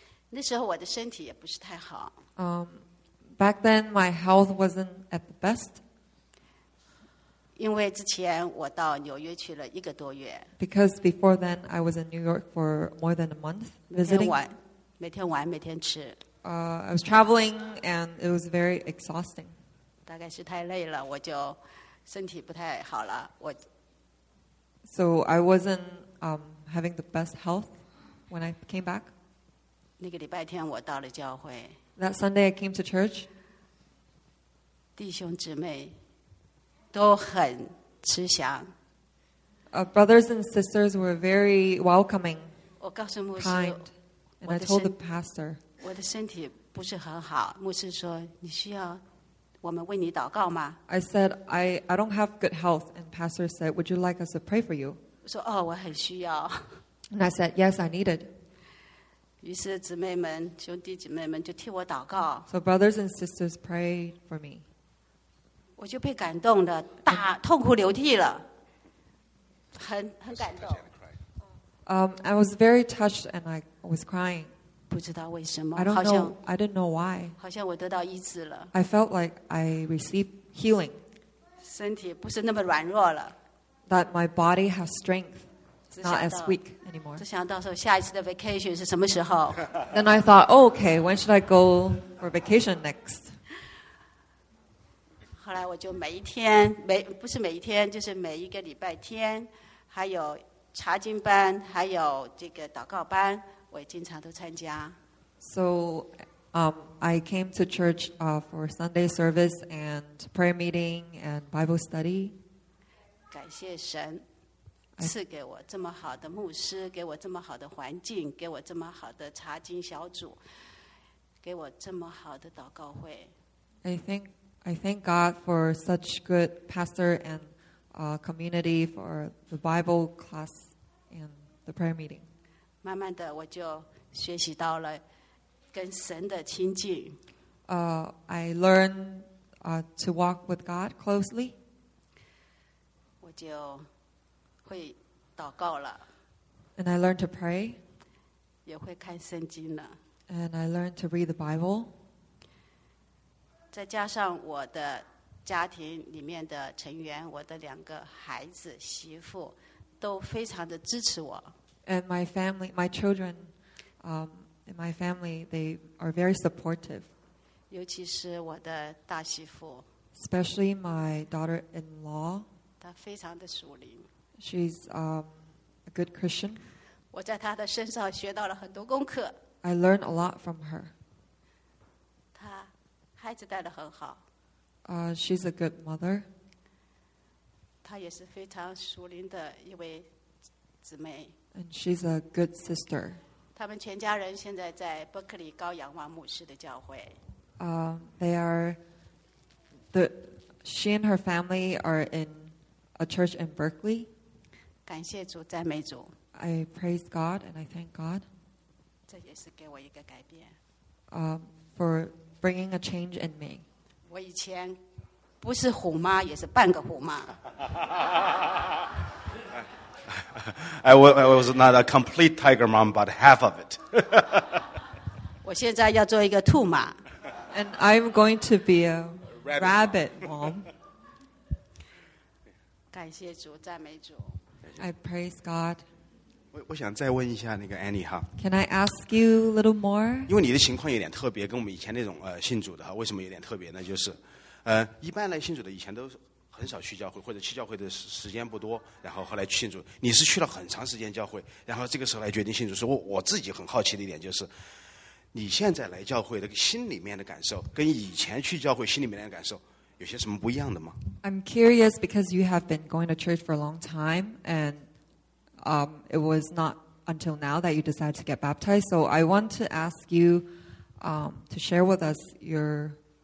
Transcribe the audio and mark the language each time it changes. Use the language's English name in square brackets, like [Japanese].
[Chinese] 那时候我的身体也不是太好。 [English] Back then, my health wasn't at the best. [Chinese] 因为之前我到纽约去了一个多月。 [English] Because before then, I was in New York for more than a month visiting. [Chinese] 每天玩，每天吃。 [English] I was traveling, and it was very exhausting. [Chinese] 大概是太累了，我就身体不太好了。我 [English] So I wasn't having the best health when I came back. [Chinese] 那个礼拜天我到了教会。 [English] That Sunday I came to church. [Chinese] 弟兄姊妹都很慈祥。 [English] Brothers and sisters were very welcoming. [Chinese] 我告诉牧师 [English] kind, and I told the pastor. [Chinese] 我的身体不是很好。牧师说你需要我们为你祷告吗？ [English] I said, I don't have good health. And pastor said, would you like us to pray for you? [Chinese] 我说哦，我很需要。 [English] And I said, yes, I need it. [Chinese] 于是姊妹们兄弟姊妹们就替我祷告。 [English] So brothers and sisters prayed for me. [Chinese] 我就被感动的大痛哭流涕了。很感动。 [English] I was very touched and I was crying. [Chinese] 不知道为什么。 [English] I didn't know why. [Chinese] 好像我得到医治了。 [English] I felt like I received healing. [Chinese] 身体不是那么软弱了。 [English] That my body has strength. Not as weak anymore. [Chinese] 只想到说下一次的 vacation 是什么时候。 [English] Then I thought, oh, okay, when should I go for vacation next? [Chinese] 后来我就每一天，不是每一天，就是每一个礼拜天，还有查经班，还有这个祷告班，我经常都参加。 [English] So, I came to church for Sunday service and prayer meeting and Bible study. [Chinese] 感谢神。赐给我这么好的牧师，给我这么好的环境，给我这么好的查经小组，给我这么好的祷告会。 [English] I thank God for such good pastor and community for the Bible class and the prayer meeting. [Chinese] 慢慢的我就学习到了跟神的亲近。 [English] I learned to walk with God closely. [Chinese] 我就会祷告了。 [English] And I learned to pray. [Chinese] 也会看圣经了。 [English] And I learned to read the Bible. [Chinese] 再加上我的家庭里面的成员，我的两个孩子媳妇都非常的支持我。 [English] And my family, my children, and my family, they are very supportive. [Chinese] 尤其是我的大媳妇。 [English] Especially my daughter-in-law. [Chinese] 她非常的属灵。 [English] She's a good Christian. [Chinese] 我在她的身上学到了很多功课。 [English] I learned a lot from her. [Chinese] 她孩子带得很好。 [English] She's a good mother. [Chinese] 她也是非常属灵的一位姊妹。 [English] And she's a good sister. [Chinese] 他们全家人现在在伯克利高阳王牧师的教会。 [English] She and her family are in a church in Berkeley. [Chinese] 感谢主，赞美主。 [English] I praise God and I thank God. [Chinese] 这也是给我一个改变。 [English] For bringing a change in me. [Chinese] 我以前不是虎妈，也是半个虎妈。 [English] I was not a complete tiger mom, but half of it. [Chinese] 我现在要做一个兔妈。 [English] And I'm going to be a rabbit mom. [Chinese] 感谢主，赞美主。 [English] I praise God. [Chinese] 我想再问一下那个 Annie 哈。 [English] Can I ask you a little more? [Chinese] 因为你的情况有点特别，跟我们以前那种信主的哈，为什么有点特别呢？就是，一般来信主的以前都很少去教会，或者去教会的时间不多，然后后来去信主。你是去了很长时间教会，然后这个时候来决定信主。所以我自己很好奇的一点就是，你现在来教会的心里面的感受，跟以前去教会心里面的感受。有些什么不一样的吗？ [English] I'm curious because you have been going to church for a long time and it was not until now that you decided to get baptized. So I want to ask you to share with us your